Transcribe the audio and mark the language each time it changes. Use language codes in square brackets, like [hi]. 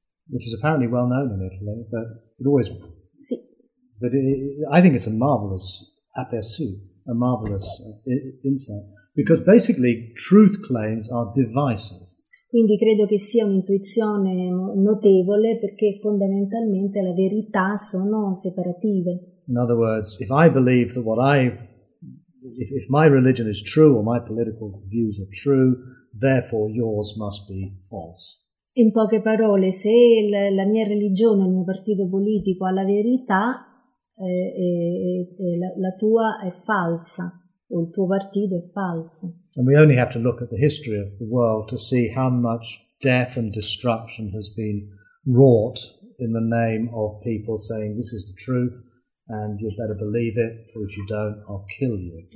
[en] Which is apparently well known in Italy, but it always... [it] Sì. [en] But I think it's a marvelous aperçu, a marvelous insight, because basically truth claims are divisive. [it] Quindi credo che sia un'intuizione notevole, perché fondamentalmente la verità sono separative. [en] In other words, if I believe that what I... If my religion is true or my political views are true, therefore yours must be false. [it] In poche parole, se la mia religione, il mio partito politico ha la verità, la tua è falsa, o il tuo partito è falso. [en] And we only have to look at the history of the world to see how much death and destruction has been wrought in the name of people saying this is the truth. And you better believe it, or if you don't, I'll kill you.